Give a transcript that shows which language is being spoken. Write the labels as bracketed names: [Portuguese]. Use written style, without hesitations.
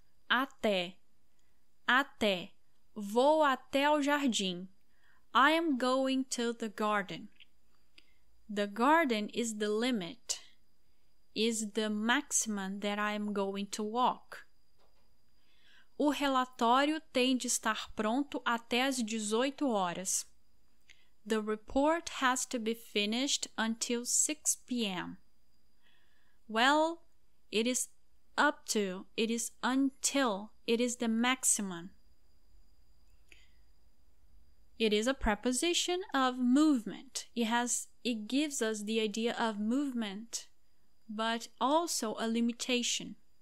[Portuguese] Até. Até. Vou até o jardim. [English] I am going to the garden. The garden is the limit. Is the maximum that I am going to walk. [Portuguese] O relatório tem de estar pronto até as 18 horas. [English] The report has to be finished until 6 p.m. Well, it is up to, it is until, it is the maximum. It is a preposition of movement. It gives us the idea of movement, but also a limitation.